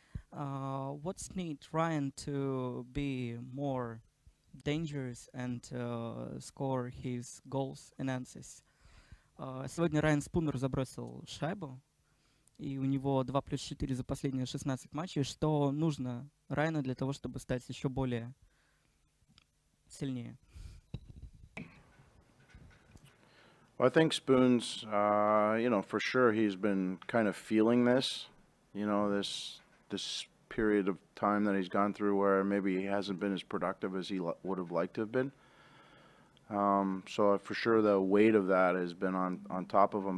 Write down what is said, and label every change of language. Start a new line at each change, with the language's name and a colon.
English: What's need Ryan to be more dangerous and score his goals and assists?
Russian: Сегодня Райан Спунер забросил шайбу. И у него 2+4 за последние 16 матчей. Что нужно Райану для того, чтобы стать еще более сильнее?
English: Well, I think Spoons, you know, for sure he's been kind of feeling this, you know, this period of time that he's gone through where maybe he hasn't been as productive as he would have liked to have been. So for sure the weight of that has been on top of him.